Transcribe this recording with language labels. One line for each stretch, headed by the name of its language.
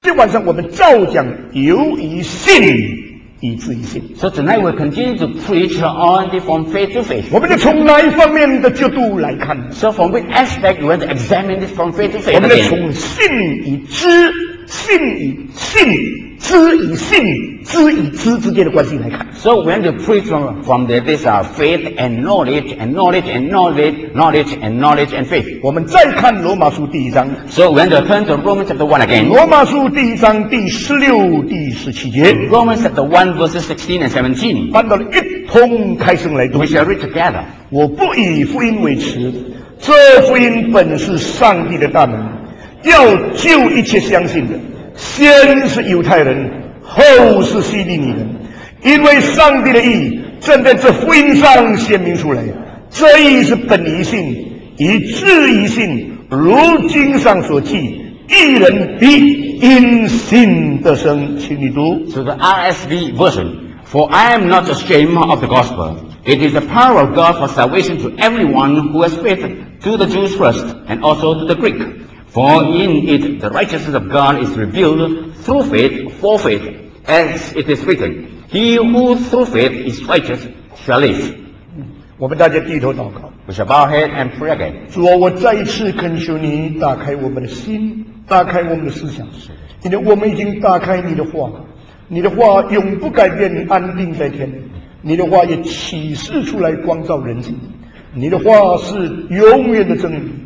Chinese: 今晚上我们照讲犹疑信以至于信。
English: So tonight we continue to preach on from faith to faith.
Chinese: 我们就从哪一方面的角度来看
English: ？So from which aspect we want to examine this from faith to faith?
Chinese: 我们就从信与知、信与信、知与信、知与知之间的关系来看。
English: So we want to preach from the this faith and knowledge and knowledge and knowledge knowledge and knowledge and faith.
Chinese: 我们再看罗马书第一章。
English: So we want to turn to Romans chapter 1 again.
Chinese: 罗马书第一章第十六、第十七节。
English: Romans chapter 1 verses 16 and 17.
Chinese: 翻到一通开声来读。
English: We shall read together.
Chinese: 我不以福音为耻，这福音本是上帝的大能，要救一切相信的，先是犹太人，后是希利尼人，因为上帝的义正在这福音上显明出来，这义是本于信，以至于信，如经上所记，义人必因信得生。请你读。
English: So the RSV version, for I am not ashamed of the gospel. It is the power of God for salvation to everyone who has faith, to the Jews first, and also to the Greek. For in it the righteousness of God is revealed through faith for faith, as it is written, He who through faith is righteous shall live.
Chinese: 我们大家低头祷告。
English: We shall bow head and pray again.
Chinese: 主啊，我再一次恳求你打开我们的心，打开我们的思想，因为我们已经打开你的话，你的话永不改变，安定在天，你的话也启示出来光照人心，你的话是永远的真理。